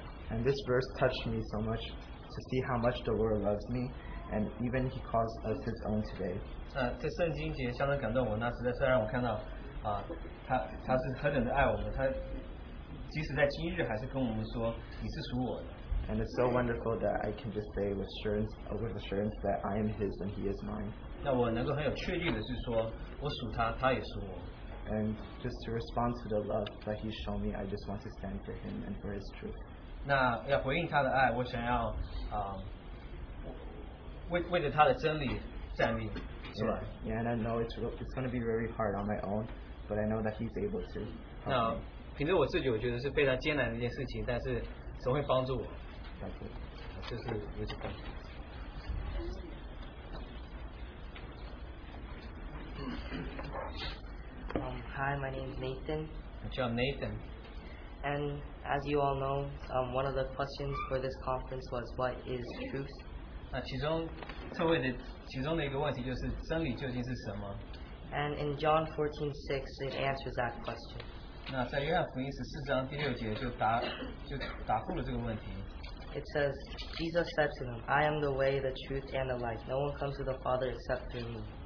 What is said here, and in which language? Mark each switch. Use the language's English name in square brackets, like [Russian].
[English] And this verse touched me so much to see how much the Lord loves me, and even He calls us His own today. [Chinese] 这圣经节相当感动我，那实在是让我看到，他是何等的爱我们，他即使在今日还是跟我们说，你是属我的。 [English] And it's so wonderful that I can just say with assurance, that I am His and He is mine. [Chinese] 那我能够很有确定的是说，我属他，他也属我。 [English] And just to respond to the love that He's shown me, I just want to stand for Him and for His truth. [Chinese] 那要回应他的爱，我想要 为着他的真理站立。 [English] Yeah. Yeah, and I know it's going to be very hard on my own, but I know that He's able to. [Chinese] 那凭着我自己，我觉得是非常艰难的一件事情，但是神会帮助我。 [English] That's it. [Chinese] 就是有这个。 [English] Hi, my name is Nathan. John Nathan. And as you all know, one of the questions for this conference was, what is truth? [Chinese] 其中的一个问题就是真理究竟是什么? [English] And in John 14:6, it answers that question. [Chinese] 那在约翰福音14:6节就答复了这个问题。 [English] It says, Jesus said to them, "I am the way, the truth, and the life. No one comes to the Father except through me."